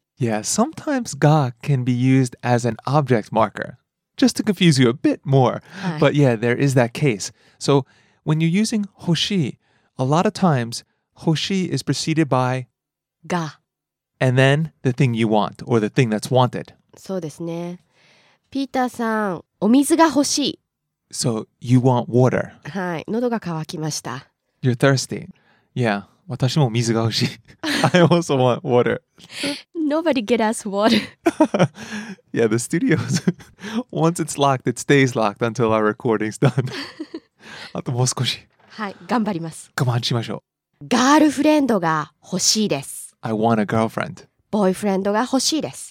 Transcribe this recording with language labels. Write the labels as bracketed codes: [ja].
[en] Yeah, sometimes が can be used as an object marker. Just to confuse you a bit more. But yeah, there is that case. So, when you're using 欲しいA lot of times, 欲しい is preceded by [ja] が [en] And then, the thing you want, or the thing that's wanted. [ja] そうですね。ピーターさん、お水が欲しい。 [en] So, you want water. [ja] はい、喉が渇きました。 [en] You're thirsty. [ja] Yeah, 私も水が欲しい。 [en] I also want water. Nobody get us water. Yeah, the studio, once it's locked, it stays locked until our recording's done. [ja] あともう少し。はい、頑張ります。我慢しましょう。ガールフレンドが欲しいです。 [en] I want a girlfriend. [ja] ボーイフレンドが欲しいです。